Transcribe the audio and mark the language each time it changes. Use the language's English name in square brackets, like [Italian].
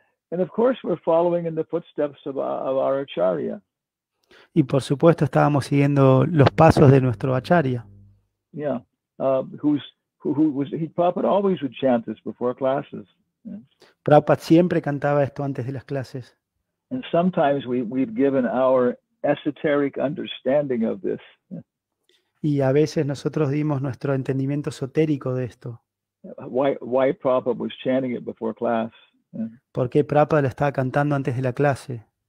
[English] And of course we're following in the footsteps of our Acharya. [Spanish] Y por supuesto estábamos siguiendo los pasos de nuestro Acharya. [English] Yeah. Prabhupada always would chant this before classes. [Spanish] Prabhupada siempre cantaba esto antes de las clases. [English] And sometimes we've given our esoteric understanding of this. [Spanish] Y a veces nosotros dimos nuestro entendimiento esotérico de esto. [English] Why Prabhupada was chanting it before class? [Spanish] ¿Por qué Prabhupada lo estaba cantando antes de la clase?